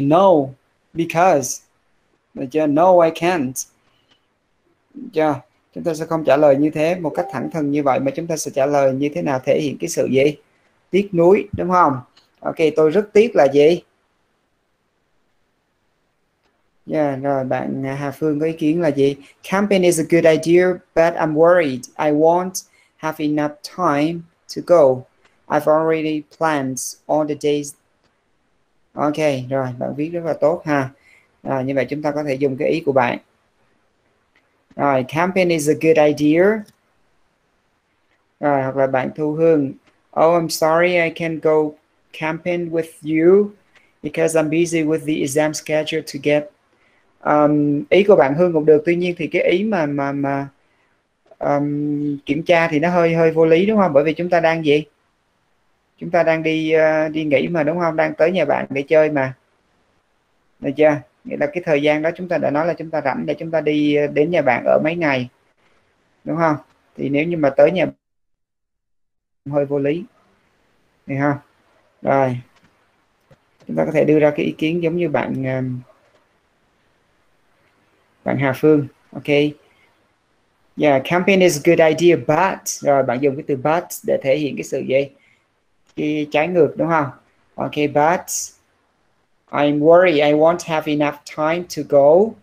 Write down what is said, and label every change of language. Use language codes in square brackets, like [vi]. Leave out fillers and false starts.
[en] No, because. [vi] Được chưa? [en] No, I can't. Được chưa? [vi] Chúng ta sẽ không trả lời như thế, một cách thẳng thừng như vậy, mà chúng ta sẽ trả lời như thế nào thể hiện cái sự gì? Tiếc nuối, đúng không? Ok, tôi rất tiếc là gì? Yeah, rồi bạn Hà Phương có ý kiến là gì? [en] Camping is a good idea, but I'm worried I won't have enough time to go. I've already planned all the days. [vi] Ok, rồi, bạn viết rất là tốt ha. Rồi, như vậy chúng ta có thể dùng cái ý của bạn. [en] Rồi, camping is a good idea. [vi] Rồi, hoặc là bạn Thu Hương. [en] Oh, I'm sorry I can't go camping with you because I'm busy with the exam schedule to get. [vi] Ý của bạn Hương cũng được, tuy nhiên thì cái ý mà kiểm tra thì nó hơi hơi vô lý đúng không? Bởi vì chúng ta đang gì? Chúng ta đang đi đi nghỉ mà đúng không? Đang tới nhà bạn để chơi mà. Được chưa? Nghĩa là cái thời gian đó chúng ta đã nói là chúng ta rảnh để chúng ta đi đến nhà bạn ở mấy ngày. Đúng không? Thì nếu như mà tới nhà hơi vô lý. Được không? Rồi. Chúng ta có thể đưa ra cái ý kiến giống như bạn bạn Hà Phương. Ok. [en] Yeah, camping is a good idea, but. [vi] Rồi, bạn dùng cái từ but để thể hiện cái sự gì? Cái trái ngược đúng không? [en] Ok, but I'm worried I won't have enough time to go.